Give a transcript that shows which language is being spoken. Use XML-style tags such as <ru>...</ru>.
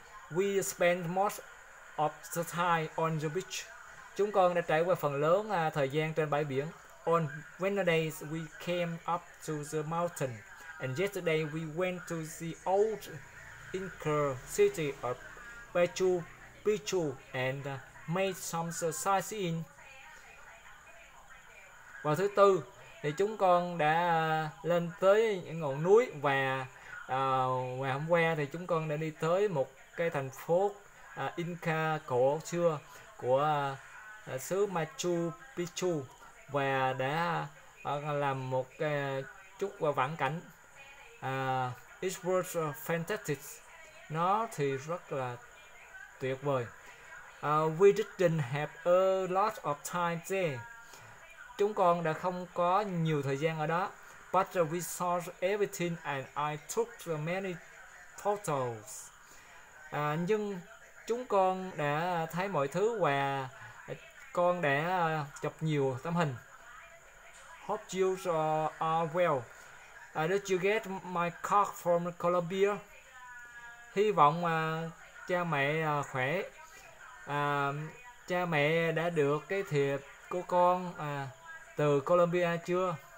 <en>We spent most of the time on the beach.</en> <vi>Chúng con đã trải qua phần lớn thời gian trên bãi biển.</vi> <en>On Wednesday we came up to the mountain, and yesterday we went to the old Inca city of Machu Picchu and made some sightseeing.</en> <vi>Vào thứ tư thì chúng con đã lên tới những ngọn núi, và ngày hôm qua thì chúng con đã đi tới một cái thành phố Inca cổ xưa của xứ Machu Picchu, và đã làm một chút vãn cảnh.</vi> <en>It was fantastic.</en> <vi>Nó thì rất là tuyệt vời.</vi> <en>We didn't have a lot of time there.</en> <vi>Chúng con đã không có nhiều thời gian ở đó.</vi> <en>But we saw everything and I took many photos.</en> <vi>Nhưng chúng con đã thấy mọi thứ và con đã chụp nhiều tấm hình.</vi> <en>Hope you are well. Did you get my card from Colombia?</en> <vi>Hy vọng cha mẹ khỏe. Cha mẹ đã được cái thiệp của con từ Colombia chưa?</vi>